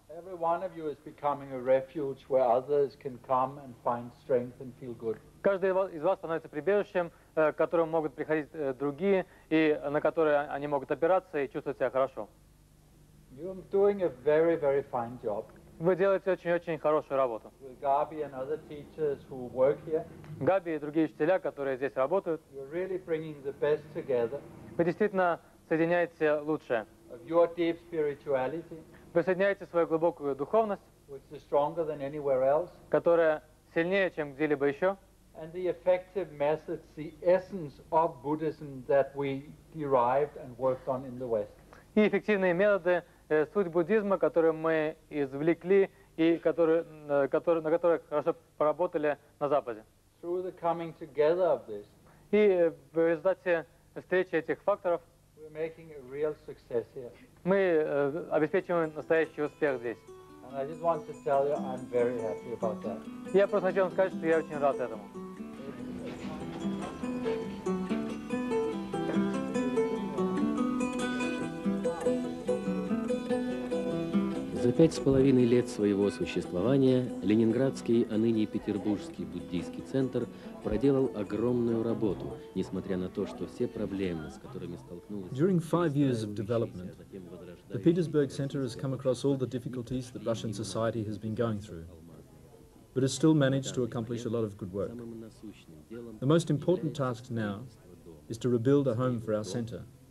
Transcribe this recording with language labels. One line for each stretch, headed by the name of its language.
English: Every one of you is becoming a refuge where others can come and find strength and feel good.
Russian: Каждый из вас становится прибежищем, к которому могут приходить другие и на которые они могут опираться и чувствовать себя хорошо.
English: You are doing a very, very fine job.
Russian: Вы делаете очень-очень хорошую работу.
English: Габи and other teachers who work here.
Russian: Габи и другие учителя, которые здесь работают.
English: You're really bringing the best together.
Russian: Вы действительно соединяете лучшее.
English: Of your deep spirituality.
Russian: Вы соединяете свою глубокую духовность,
English: which is stronger than anywhere else.
Russian: Которая сильнее, чем где-либо еще.
English: And the effective methods, the essence of Buddhism that we derived and worked on in the West.
Russian: И эффективные методы, суть буддизма, которую мы извлекли и на которой хорошо поработали на Западе.
English: Through the coming together of this.
Russian: И в результате встречи этих факторов
English: we're making a real success here.
Russian: Мы обеспечиваем настоящий успех здесь.
English: And I just want to tell you, I'm very happy about that.
Russian: Я просто хочу вам сказать, что я очень рад этому. За 5.5 лет своего существования Ленинградский, а ныне Петербургский буддийский центр проделал огромную работу, несмотря на то, что все проблемы, с которыми столкнулись.
English: During 5 years of development, the Petersburg Center has come across all the difficulties that Russian society has been going through, but has still managed to accomplish a lot of good work. The most important task now is to rebuild a home for our center.